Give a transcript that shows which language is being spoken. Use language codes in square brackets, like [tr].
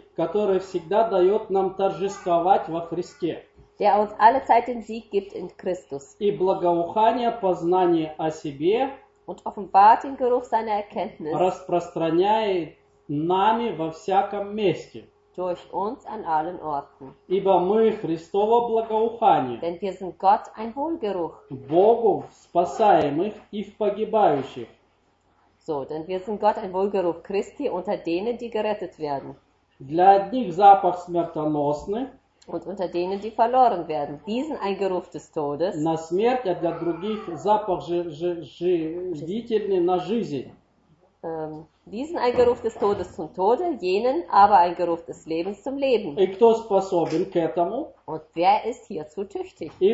[ru] который всегда дает нам торжествовать во Христе, [de] der uns alle Zeit den Sieg gibt in Christus, [ru] и благоухание познания о себе, [de] und offenbart den Geruch seiner Erkenntnis, [ru] распространяет нами во всяком месте, [de] durch uns an allen Orten, [ru] ибо мы Христово благоухание, [de] denn wir sind Gott ein Wohlgeruch, [ru] Богу в спасаемых и в погибающих. [de] So, denn wir sind Gott ein Wohlgeruch Christi unter denen, die gerettet werden. [ru] Для одних запах смертоносный. [de] Und unter denen, die verloren werden. Diesen ein Geruch des Todes. [ru] На смерть, а для других запах жизнительный на жизнь. [de] Diesen ein Geruch des Todes zum Tode, jenen aber ein Geruch des Lebens zum Leben. [ru] И кто способен к этому? [de] Und wer ist hierzu tüchtig?